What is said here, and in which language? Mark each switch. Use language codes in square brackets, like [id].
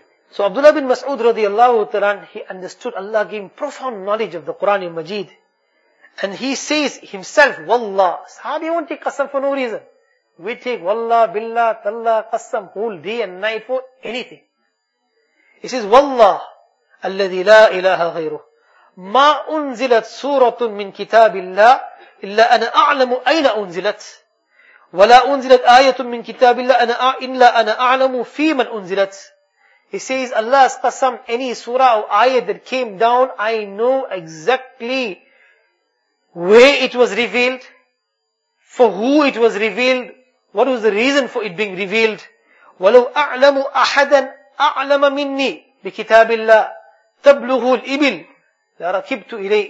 [en] So Abdullah bin Mas'ud radiallahu ta'ala, he understood Allah giving profound knowledge of the Quran in Majid. And he says himself, Wallah, Sahabi won't take qasam for no reason. We take Wallah, Billah, Tallah, qasam whole day and night for anything. He says, [ar] Wallah, الَّذِي لَا إِلَهَ غَيْرُهُ مَا أُنزِلَتْ سُورَةٌ مِّن كِتَابِ اللَّهِ إِلَّا أَنَا أَعْلَمُ أَيْنَ أُنزِلَتْ وَلَا أُنزِلَتْ آيَةٌ مِّن كِتَابِ اللَّهِ إِلَّا أَنَا أَعْلَمُ فِي مَنْ أُنزِلَتْ. [en] He says, Allah's qasam, any surah or ayah that came down, I know exactly where it was revealed, for who it was revealed, what was the reason for it being revealed. [ar] وَلَوْ أَعْلَمُ أَحَدًا أَعْلَمَ مِنِّي بِكِتَابِ اللَّهِ تَبْلُغُ الْإِبِلْ لَرَكِبْتُ إِلَيْهِ.